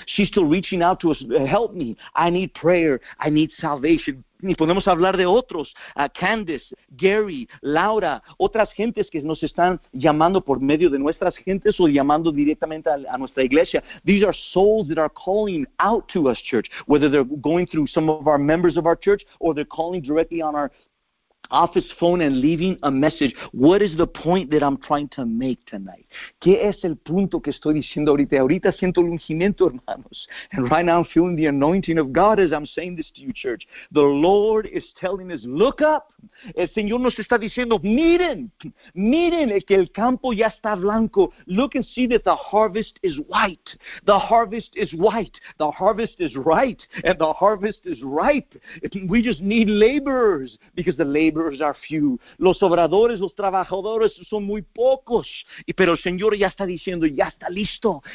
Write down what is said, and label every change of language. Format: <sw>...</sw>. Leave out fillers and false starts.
<en>She's still reaching out to us, help me, I need prayer, I need salvation.</en> <es>Y podemos hablar de otros, Candice, Gary, Laura, otras gentes que nos están llamando por medio de nuestras gentes o llamando directamente a nuestra iglesia.</es> <en>These are souls that are calling out to us, church, whether they're going through some of our members of our church or they're calling directly on our office phone and leaving a message. What is the point that I'm trying to make tonight?</en> <es>¿Qué es el punto que estoy diciendo ahorita? Ahorita siento el ungimiento, hermanos.</es> <en>And right now I'm feeling the anointing of God as I'm saying this to you, church. The Lord is telling us, look up.</en> <es>El Señor nos está diciendo, miren, miren que el campo ya está blanco.</es> <en>Look and see that the harvest is white. The harvest is white. The harvest is ripe. And the harvest is ripe. We just need laborers because the laborers are few.</en> <es>Los obradores, los trabajadores son muy pocos. Pero el Señor ya está diciendo, ya está listo.</es>